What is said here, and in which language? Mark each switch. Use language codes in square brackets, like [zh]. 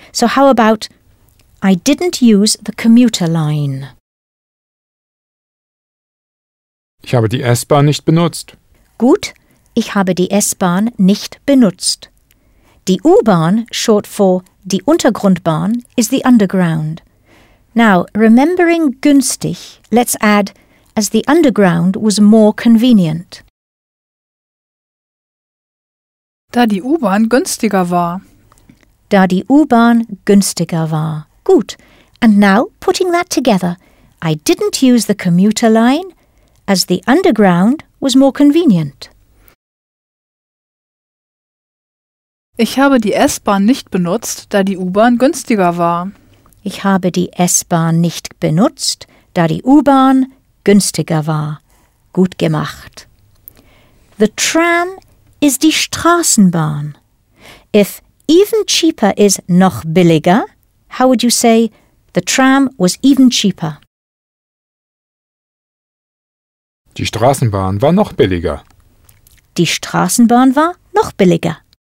[en] So how about, I didn't use the commuter line. [de] Ich habe die S-Bahn nicht benutzt. Gut, ich habe die S-Bahn nicht benutzt. [en] Die U-Bahn, short for die Untergrundbahn, is the underground. Now, remembering günstig, let's add, as the underground was more convenient. [de] Da die U-Bahn günstiger war. Da die U-Bahn günstiger war. Gut. [en] And now, putting that together, I didn't use the commuter line, as the underground was more convenient. [de] Ich habe die S-Bahn nicht benutzt, da die U-Bahn günstiger war. Ich habe die S-Bahn nicht benutzt, da die U-Bahn günstiger war. Gut gemacht. [en] The tram is die Straßenbahn. If even cheaper is [de] noch billiger, [en] how would you say the tram was even cheaper? [de] Die Straßenbahn war noch billiger. Die Straßenbahn war noch billiger.